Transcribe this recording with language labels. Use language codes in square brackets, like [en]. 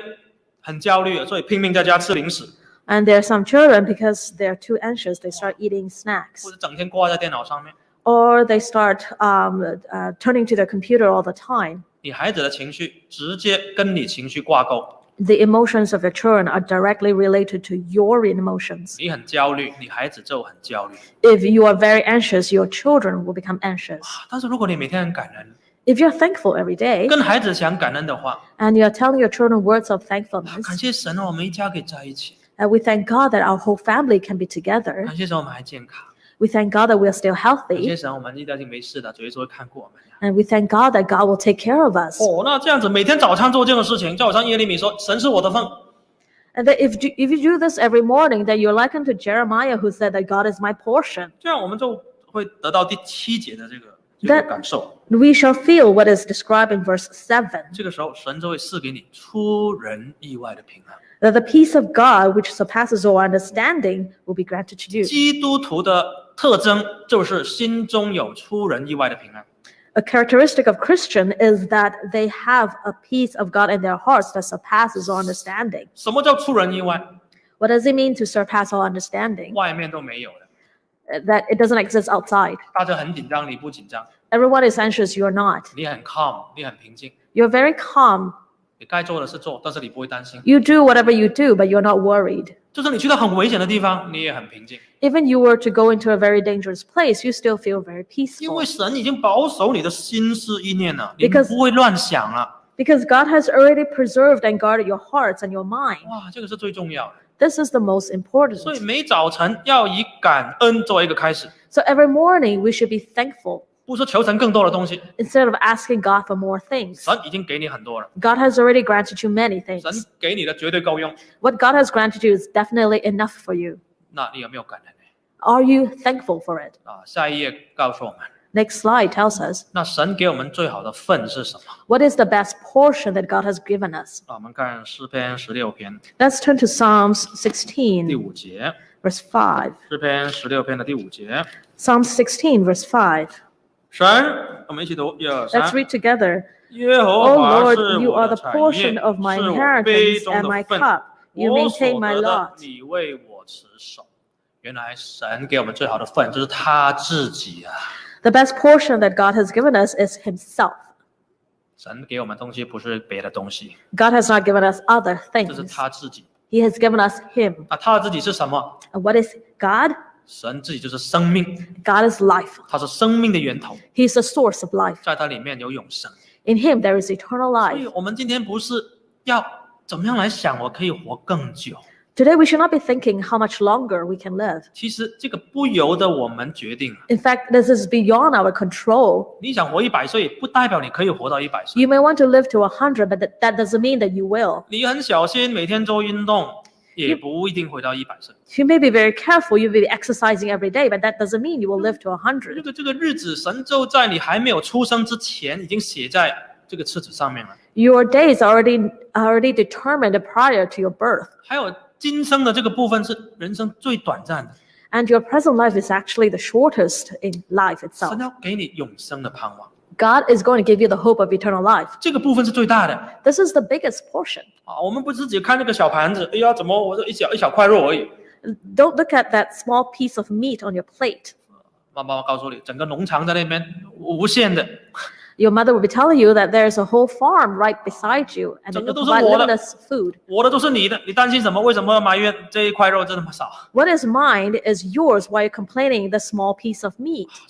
[zh] 有一些很焦虑，所以拼命在家吃零食。 [en] And there are some children because they're too anxious, they start eating snacks. [zh] 或者整天挂在电脑上面。 [en] Or they start turning to their computer all the time. [zh] 你孩子的情绪直接跟你情绪挂钩。 [en] The emotions of your children are directly related to your emotions. [zh] 你很焦虑，你孩子就很焦虑。 [en] If you are very anxious, your children will become anxious. [zh] 但是如果你每天很感恩。 [en] If you're thankful every day, [zh] 跟孩子讲感恩的话, [en] and you're telling your children words of thankfulness, [zh] 感谢神哦，我们一家可以在一起。 [en] And we thank God that our whole family can be together. [zh] 感谢神，我们还健康。 [en] We thank God that we are still healthy. [zh] 感谢神，我们一家已经没事了，主耶稣会看顾我们。 [en] And we thank God that God will take care of us. [zh] 哦，那这样子每天早上做这样的事情，就好像耶利米说：“神是我的份。” [en] And that if you do this every morning, that you're likened to Jeremiah, who said that God is my portion. [zh] 这样我们就会得到第七节的这个感受。 [en] Then we shall feel what is described in verse 7. [zh] 这个时候，神就会赐给你出人意外的平安。 [en] That the peace of God, which surpasses all understanding, will be granted to you. [zh] 基督徒的特征就是心中有出人意外的平安。 [en] A characteristic of Christian is that they have a peace of God in their hearts that surpasses all understanding. [zh] 什么叫出人意外? [en] What does it mean to surpass all understanding? [zh] 外面都没有的。 [en] That it doesn't exist outside. [zh] 大家很紧张，你不紧张。 [en] Everyone is anxious, you are not. [zh] 你很 [en] calm， [zh] 你很平静。 [en] You're very calm. [zh] 你该做的是做，但是你不会担心。 [en] You do whatever you do, but you're not worried. [zh] 就是你去到很危险的地方，你也很平静。 [en] Even you were to go into a very dangerous place, you still feel very peaceful. [zh] 因为神已经保守你的心思意念了，你不会乱想了。 [en] Because God has already preserved and guarded your hearts and your mind. [zh] 哇，这个是最重要的。 [en] This is the most important. [zh] 所以每早晨要以感恩作为一个开始。 [en] So every morning we should be thankful. [zh] 不是求神更多的东西, [en] Instead of asking God for more things, [zh] 神已经给你很多了, [en] God has already granted you many things. [zh] 神给你的绝对够用, [en] what God has granted you is definitely enough for you. [zh] 那你有没有感恩? [en] Are you thankful for it? [zh] 啊, 下一页告诉我们, [en] Next slide tells us, [zh] 那神给我们最好的份是什么? [en] What is the best portion that God has given us? [zh] 啊, 我们看诗篇16篇, [en] Let's turn to Psalms 16, [zh] 第五节, [en] verse 5. [zh] 诗篇16篇的第五节, [en] Psalm 16, verse 5. [zh] 神，我们一起读一二三。 [en] Let's read together. [zh] 耶和华是我的产业, [en] O Lord, you are the portion of my inheritance and my cup. You maintain my lot. [zh] 你为我持守。原来神给我们最好的份就是他自己啊。 [en] The best portion that God has given us is Himself. [zh] 神给我们东西不是别的东西。 [en] God has not given us other things. [zh] 这是他自己。 [en] He has given us Him. [zh] 啊，他自己是什么？ [en] And what is God? [zh] 神自己就是生命, [en] God is life. [zh] 他是生命的源头, [en] He is the source of life. [zh] 在他里面有永生, [en] In Him there is eternal life. [zh] 所以我们今天不是要怎么样来想我可以活更久。 [en] Today we should not be thinking how much longer we can live. [zh] 其实这个不由得我们决定。 [en] In fact, this is beyond our control. [zh] 你想活100岁, 不代表你可以活到100岁。 [en] You may want to live to 100, but that doesn't mean that you will. [zh] 你很小心, 每天做运动, 也不一定回到100岁。 [en] You may be very careful, you may be exercising every day, but that doesn't mean you will live to 100. [zh] 这个日子神就在你还没有出生之前已经写在这个册子上面了。 [en] Your days are already determined prior to your birth. [zh] 还有今生的这个部分是人生最短暂的。 [en] And your present life is actually the shortest in life itself. [zh] 神要给你永生的盼望。 [en] God is going to give you the hope of eternal life. [zh] 这个部分是最大的。 [en] This is the biggest portion. [zh] 我们不是只看那个小盘子，哎呀，怎么我就一小块肉而已。 [en] Don't look at that small piece of meat on your plate. [zh] 妈妈告诉你，整个农场在那边无限的。 [en] Your mother will be telling you that there is a whole farm right beside you, and they provide limitless food. [zh] 我的都是你的，你担心什么？为什么埋怨这一块肉这么少？ [en] What is mine is yours. Why are you complaining the small piece of meat?